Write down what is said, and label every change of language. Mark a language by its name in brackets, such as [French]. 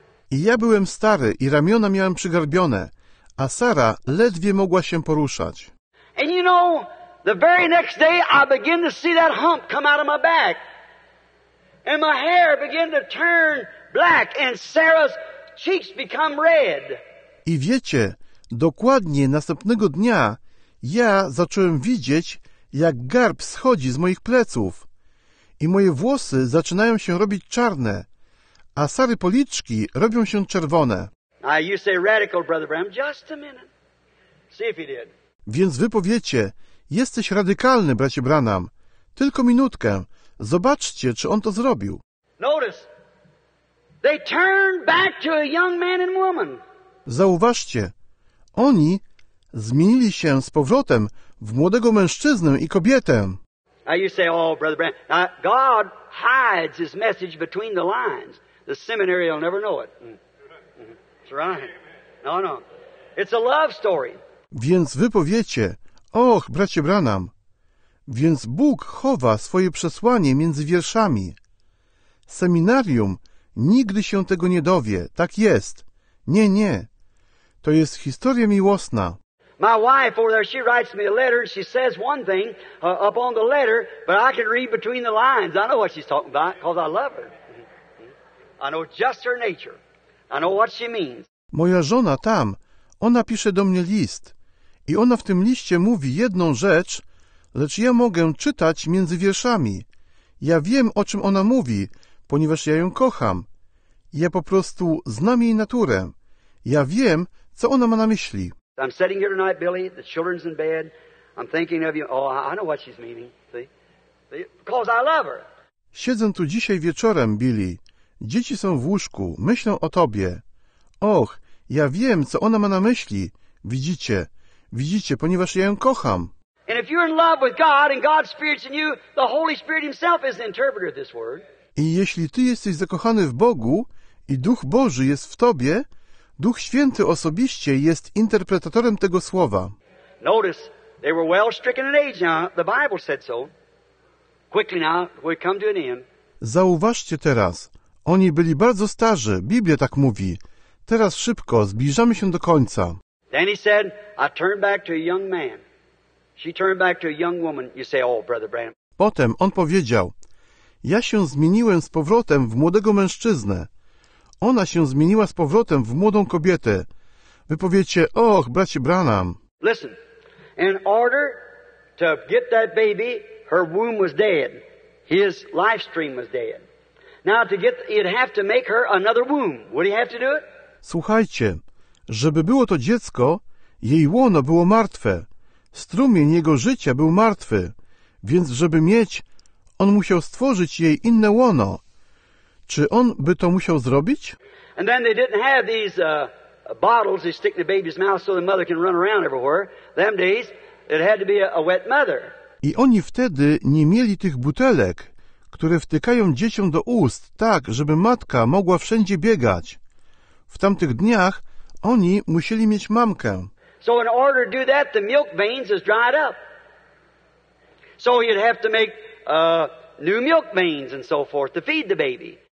[Polish] I ja byłem stary i ramiona miałem przygarbione, a Sara ledwie mogła się poruszać. [English] And you know, the very next day I began to see that hump come out of my back. And my hair began to turn black and Sarah's cheeks become red. [Polish] I wiecie, dokładnie następnego dnia ja zacząłem widzieć, jak garb schodzi z moich pleców. I moje włosy zaczynają się robić czarne, a Sary policzki robią się czerwone. [English] You say radical, Brother Bram. Just a minute. See if he did. [Polish] Więc wy powiecie, jesteś radykalny, bracie Branham. Tylko minutkę. Zobaczcie, czy on to zrobił. [English] Notice. They turned back to a young man and woman. [Polish] Zauważcie. Oni zmienili się z powrotem w młodego mężczyznę i kobietę. [English] Now you say, oh, Brother Branham, now God hides his message between the lines. The seminary will never know it. That's right. No, no. It's a love story. [Polish] Więc wy powiecie, och, bracie Branham, więc Bóg chowa swoje przesłanie między wierszami. Seminarium nigdy się tego nie dowie. Tak jest. Nie, nie. To jest historia miłosna. [English] My wife over there, she writes me a letter and she says one thing up on the letter, but I can read between the lines. I know what she's talking about because I love her. I know just her nature. I know what she means. [Polish] Moja żona tam, ona pisze do mnie list. I ona w tym liście mówi jedną rzecz, lecz ja mogę czytać między wierszami. Ja wiem, o czym ona mówi, ponieważ ja ją kocham. Ja po prostu znam jej naturę. Ja wiem, co ona ma na myśli. [English] I'm sitting here tonight, Billy. The children's in bed. I'm thinking of you. Oh, I know what she's meaning. See? Because I love her. [Polish] Siedzę tu dzisiaj wieczorem, Billy. Dzieci są w łóżku. Myślą o tobie. Och, ja wiem, co ona ma na myśli. Widzicie? Widzicie, ponieważ ja ją kocham. [English] And if you're in love with God and God's Spirit's in you, the Holy Spirit himself is the interpreter of this word. [Polish] I jeśli ty jesteś zakochany w Bogu i Duch Boży jest w tobie, Duch Święty osobiście jest interpretatorem tego słowa. [English] Notice, they were well stricken in age now. The Bible said so. Quickly now, we come to an end. [Polish] Zauważcie teraz. Oni byli bardzo starzy. Biblia tak mówi. Teraz szybko, zbliżamy się do końca. [English] Then he said, I turned back to a young man. She turned back to a young woman. You say, oh, Brother Branham. [Polish] Potem on powiedział, ja się zmieniłem z powrotem w młodego mężczyznę. Ona się zmieniła z powrotem w młodą kobietę. Wy powiecie, och, bracie Branham. [English] Listen, in order to get that baby, her womb was dead. His life stream was dead. Now to get, he'd have to make her another womb. Would he have to do it? [Polish] Słuchajcie, żeby było to dziecko, jej łono było martwe. Strumień jego życia był martwy, więc żeby mieć, on musiał stworzyć jej inne łono. Czy on by to musiał zrobić? [English] And then they didn't have these bottles they stick in the baby's mouth so the mother can run around everywhere. Them days, it had to be a wet mother. [Polish] I oni wtedy nie mieli tych butelek, które wtykają dzieciom do ust tak, żeby matka mogła wszędzie biegać. W tamtych dniach oni musieli mieć mamkę. [English] So in order to do that, the milk veins is dried up. So you'd have to make new milk veins and so forth to feed the baby.